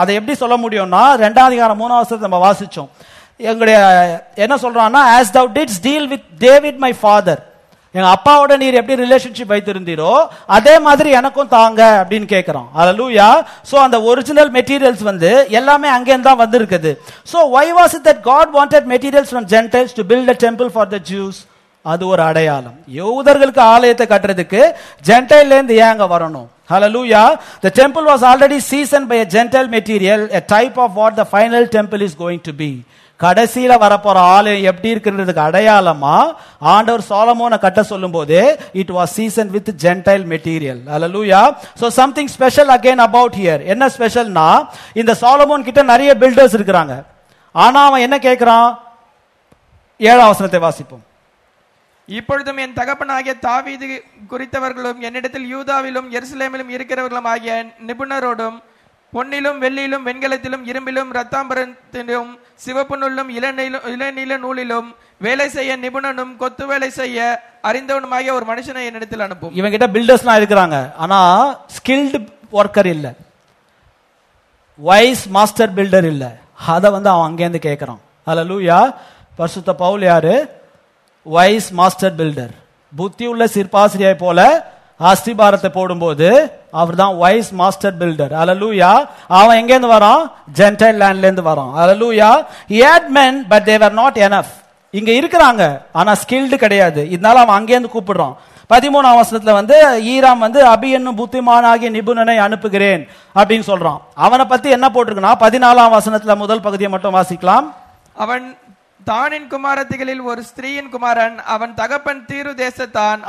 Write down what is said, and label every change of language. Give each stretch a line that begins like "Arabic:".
Tamil: அதை எப்படி சொல்ல முடியும்னா, 2 அதிகாரம் 3வது வசனத்தை நம்ம வாசிச்சோம். எங்களுடைய என்ன சொல்றான்னா,
English: as thou didst deal with David my father,
Tamil: எங்க அப்பாவோட நீர் எப்படி ரிலேஷன்ஷிப் வைத்திருந்தீரோ அதே மாதிரி எனக்கும் தாங்க அப்படின்னு கேட்கிறோம். அல்லேலூயா. சோ அந்த ஒரிஜினல் மெட்டீரியல்ஸ் வந்து எல்லாமே அங்கேயும் தான் வந்திருக்குது.
English: So why was it that God wanted materials from Gentiles to build a temple for the Jews?
Tamil: அது ஒரு அடையாளம். யூதர்களுக்கு ஆலயத்தை கட்டுறதுக்கு ஜென்டைல் இருந்து ஏன் அங்க வரணும்? ஹல்லேலூயா.
English: The temple was already seasoned by a Gentile material, a type of what the final temple is going to be.
Tamil: கடைசியில வரப்போற ஆலயம் எப்படி இருக்குன்றதுக்கு அடையாளமா ஆண்டவர் சாலமோனை கட்ட சொல்லும் போதே,
English: It was season with gentile material.
Tamil: Hallelujah.
English: So something special again about here.
Tamil: என்ன ஸ்பெஷல்னா, இந்த சாலமோன் கிட்ட நிறைய பில்டர்ஸ் இருக்கிறாங்க, ஆனா அவன் என்ன கேட்கிறான்? 7வது வசனத்தை வாசிப்போம். இப்பொழுதும் என் தகப்பனாகிய தாவீது குறித்தவர்களும் என்னிடத்தில் யூதாவிலும் எருசலேமிலும் இருக்கிறவர்களும் ஆகிய நிபுணரோடும் பொன்னிலும் வெள்ளியிலும் வெண்கலத்திலும் இரும்பிலும் இரத்தாம்பரத்திலும் சிவப்பு நூலிலும் இளநீல நூலிலும் வேலை செய்ய நிபுணனும் கொத்து வேலை செய்ய அறிந்தவனுமாக ஒரு மனுஷனை என்னிடத்தில் அனுப்பும். இவங்கிட்ட பில்டர்ஸ் எல்லாம் இருக்கிறாங்க, ஆனா ஸ்கில்டு ஒர்க்கர் இல்ல. வைஸ் மாஸ்டர் பில்டர் இல்ல, அதை வந்து அவன் அங்கேருந்து கேட்கறான். ஹல்லேலூயா. பரிசுத்த பவுல் யாரு? Wise master filter. புத்தி உள்ள சிற்பாசிரியை போல அஸ்திபாரத்தை போடும் போது அவர் தான் வைஸ் மாஸ்டர் பில்டர். ஹல்லேலூயா. அவன் எங்கேருந்து வரான்? ஜென்டைல் லேண்ட்ல இருந்து வரான். ஹல்லேலூயா.
English: He had men but they were not enough.
Tamil: இங்க இருக்கிறாங்க ஆனா ஸ்கில்டு கிடையாது, இதனால அவன் அங்கேருந்து கூப்பிடுறான். 13 வந்து ஈராம் வந்து அபி என்னும் புத்திமானாகிய நிபுணனை அனுப்புகிறேன் அப்படின்னு சொல்றான். அவனை பத்தி என்ன போட்டிருக்கா? 14 முதல் பகுதியை மட்டும் வாசிக்கலாம். அவன் தானின் குமாரத்திகளில் ஒரு ஸ்திரீயின் குமாரன், அவன் தகப்பன் தீரு தேசத்தான்.